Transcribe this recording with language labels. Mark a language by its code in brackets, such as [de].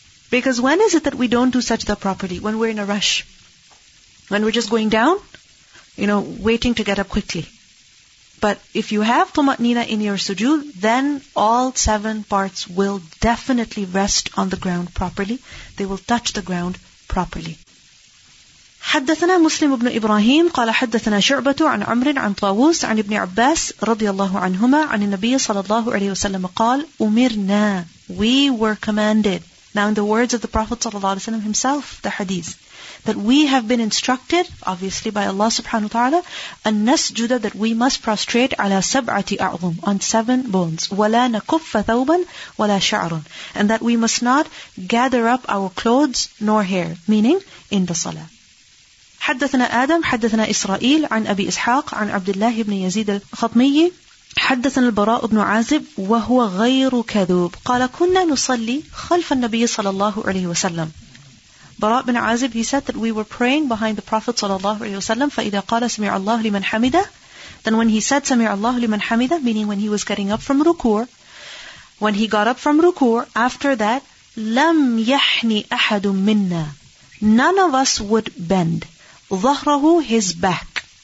[en] Because when is it that we don't do sajda properly? When we're in a rush. When we're just going down, you know, waiting to get up quickly. But if you have tuma'nina in your sujood, then all seven parts will definitely rest on the ground properly. They will touch the ground properly. [ar] حدثنا مسلم بن إبراهيم قال حدثنا شعبة عن عمر عن طاووس عن ابن عباس رضي الله عنهما عن النبي صلى الله عليه وسلم قال أمرنا. [en] We were commanded. Now in the words of the Prophet [ar] صلى الله عليه وسلم [en] himself, the hadith, that we have been instructed, obviously by Allah subhanahu wa ta'ala, [ar] أن نسجد, [en] that we must prostrate [ar] على سبعة أعظم, [en] on seven bones. [ar] ولا نكف ثوبا ولا شعر, [en] and that we must not gather up our clothes nor hair, meaning in the salah. [ar] حدثنا آدم حدثنا إسرائيل عن أبي إسحاق عن عبد الله بن يزيد الخطمي حدثنا البراء بن عازب وهو غير كذوب قال كنا نصلي خلف النبي صلى الله عليه وسلم. [en] Bara' bin Azib, he said that we were praying behind the Prophet sallallahu alayhi wa sallam. [ar] فَإِذَا قَالَ سَمِعَ اللَّهُ لِمَنْ حَمِدَهُ, [en] then when he said [ar] سَمِعَ اللَّهُ لِمَنْ حَمِدَهُ, [en] meaning when he was getting up from rukur, when he got up from rukur, after that, [ar] لَمْ يَحْنِ أَحَدٌ مِنَّا, [en] none of us would bend [ar] ظَهْرَهُ, [en] his back.